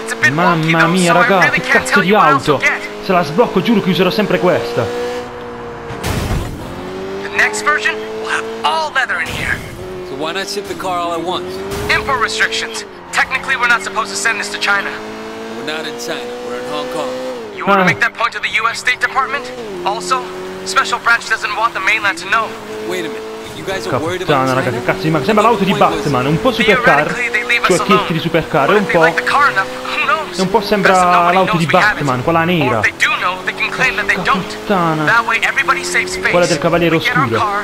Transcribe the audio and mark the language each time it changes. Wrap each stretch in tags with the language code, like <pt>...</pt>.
<it>Mamma mia, raga, che cazzo di auto. Se la sblocco, giuro che userò sempre questa.</it> <en>Next version will have all leather in here. So why not ship the car all at once? Import restrictions. Technically, we're not supposed to send this to China. We're not in China. We're in Hong Kong. You want to make that point to the U.S. State Department? Also, Special Branch doesn't want the mainland to know. Wait a minute. You guys are worried about China?</en> <it>Che cazzo di macchina? Sembra l'auto di Batman. Un po' supercar. Cioè, chiesti di supercar. Un po'. E un po' sembra l'auto di Batman, quella nera. Puttana. Quella del Cavaliere Oscuro.</it>